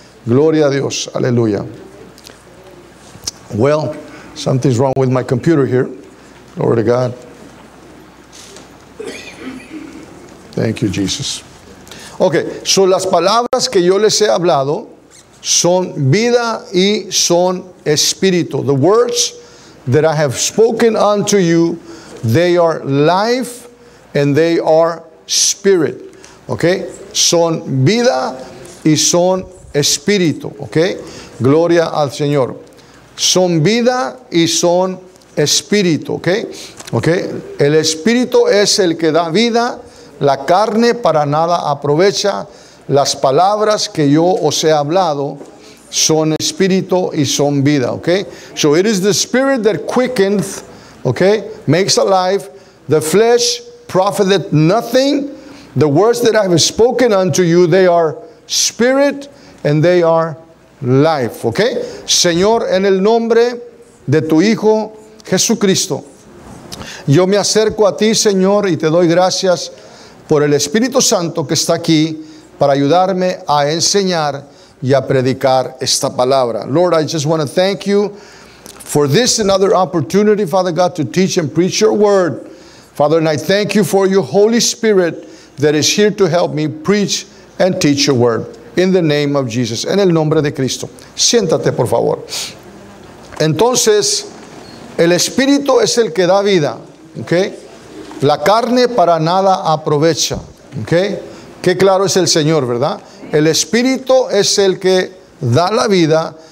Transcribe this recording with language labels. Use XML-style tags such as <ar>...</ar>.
<es>Gloria a Dios, aleluya.</es> <en>Well, something's wrong with my computer here. Glory to God. Thank you, Jesus.</en> <es>Okay, son las palabras que yo les he hablado. Son vida y son espíritu.</es> <en>The words that I have spoken unto you, they are life and they are spirit.</en> <es>Okay? Son vida y son espíritu. Okay? Gloria al Señor. Son vida y son espíritu. Okay? Okay? El espíritu es el que da vida. La carne para nada aprovecha. Las palabras que yo os he hablado son espíritu y son vida, okay?</es> <en>So it is the spirit that quickens, okay? Makes alive. The flesh profiteth nothing. The words that I have spoken unto you, they are spirit and they are life, okay?</en> <es>Señor, en el nombre de tu Hijo Jesucristo, yo me acerco a ti, Señor, y te doy gracias por el Espíritu Santo que está aquí para ayudarme a enseñar y a predicar esta palabra.</es> <en>Lord, I just want to thank you for this another opportunity, Father God, to teach and preach your word. Father, and I thank you for your Holy Spirit that is here to help me preach and teach your word. In the name of Jesus.</en> <es>En el nombre de Cristo. Siéntate, por favor. Entonces, el Espíritu es el que da vida. Okay? La carne para nada aprovecha. Okay? Qué claro es el Señor, ¿verdad? El Espíritu es el que da la vida.</es>